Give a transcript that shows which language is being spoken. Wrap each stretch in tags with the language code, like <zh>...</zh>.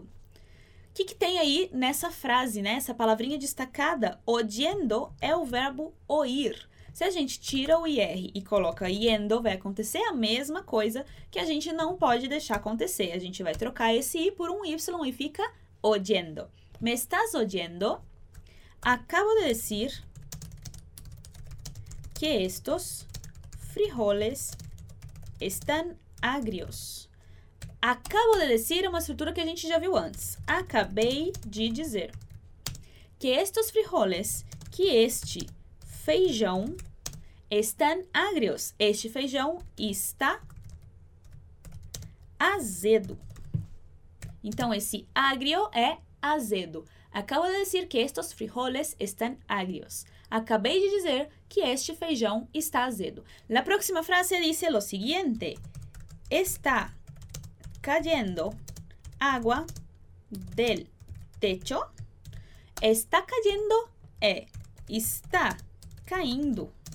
<pt>O que, que tem aí nessa frase, né? Essa palavrinha destacada? Oyendo é o verbo oír. Se a gente tira o IR e coloca yendo, vai acontecer a mesma coisa que a gente não pode deixar acontecer. A gente vai trocar esse I por um Y e fica oyendo.</pt> <es>Me estás oyendo? Acabo de decir que estos frijoles están agrios. acabo de decir</es> <pt>é uma estrutura que a gente já viu antes. Acabei de dizer que</pt> <es>estos frijoles,</es> <pt>que este feijão, estão agrios. Este feijão está azedo. Então, esse agrio é azedo. Acabo de dizer que</pt> <es>estos frijoles están agrios.</es> <pt>Acabei de dizer que este feijão está azedo.</pt> <es>La próxima frase</es> <pt>diz o seguinte:</pt> <es>está cayendo agua del techo. Está cayendo</es> <pt>é está caindo.</pt>